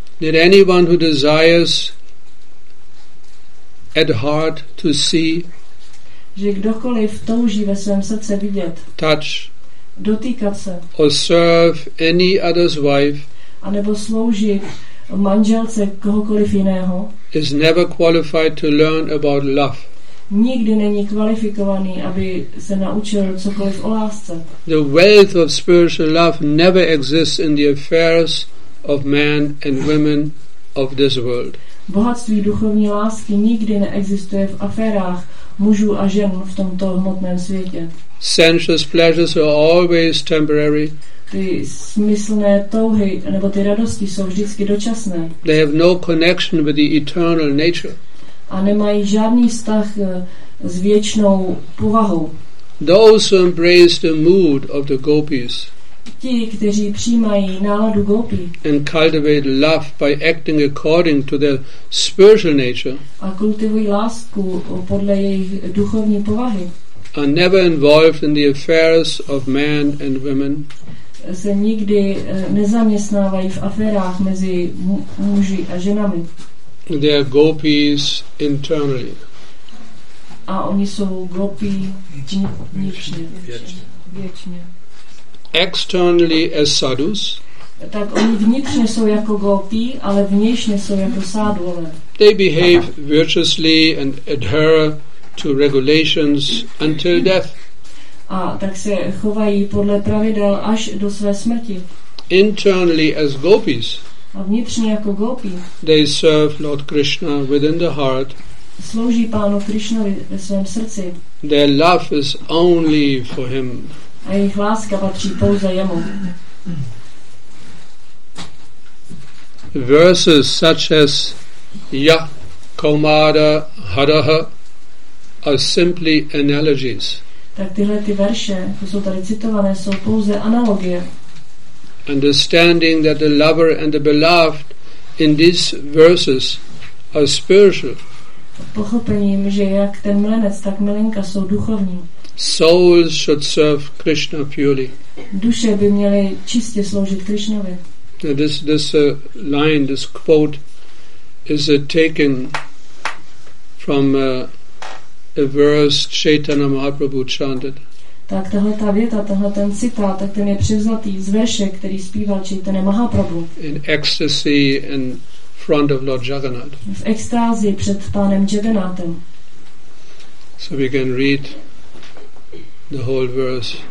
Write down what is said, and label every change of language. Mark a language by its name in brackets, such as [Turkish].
[English] That anyone who desires at heart to see, [Czech] že kdokoliv touží ve svém srdce vidět, [English] touch, [Czech] dotýkat se, [English] or serve any other's wife, [Czech] anebo sloužit manželce kohokoliv jiného, [English] is never qualified to learn about love. [Czech] Nikdy není kvalifikovaný, aby se naučil cokoliv o lásce. [English] The wealth of spiritual love never exists in the affairs of men and women of this world. [Czech] Bohatství duchovní lásky nikdy neexistuje v aférách mužů a žen v tomto hmotném světě. [English] Sensuous pleasures are always temporary. [Czech] Ty smyslné touhy nebo ty radosti jsou vždycky dočasné. [English] They have no connection with the eternal nature. [Czech] A nemají žádný vztah s věčnou povahou. [English] Those who embrace the mood of the gopis. [Czech] Ti, kteří přijímají náladu gopi. [English] And cultivate love by acting according to their spiritual nature. [Czech] A kultivují lásku podle jejich duchovní povahy. [English] Are never involved in the affairs of men and women. [Czech] Se nikdy nezaměstnávají v aférách mezi muži a ženami. [English] They are gopis internally. [Czech] A oni jsou gopi věčně. [English] Externally as sadhus. [Czech] Tak oni vnitřně jsou jako gopi, ale vnějšně jsou jako sádhové. [English] They behave virtuously and adhere to regulations until death. [Czech] A tak se chovají podle pravidel až do své smrti. [English] Internally as gopis. [Czech] A vnitřně jako gopi. [English] They serve Lord Krishna within the heart. [Czech] Slouží pánu Krishnovi ve svém srdci. [English] Their love is only for him. [Czech] A jejich láska patří pouze jemu. [English] Verses such as Ya Komada Haraha are simply analogies. [Czech] Tak tyhle ty verše, co jsou tady citované, jsou pouze analogie. [English] Understanding that the lover and the beloved in these verses are spiritual. [Czech] Pochopením, že jak ten milenec, tak milenka jsou duchovní. [English] Souls should serve Krishna purely. [Czech] Duše by měly čistě sloužit Krishnovi. [English] This line, this quote is taken from a verse Chaitanya Mahaprabhu chanted. [Czech] Tak tahleta věta, tahleta ten citát, tak ten je převzatý z verše, který zpíval Chaitanya Mahaprabhu. [English] In ecstasy in front of Lord Jagannath. [Czech] V extázi před pánem Jagannathem. [English] So we can read the whole verse.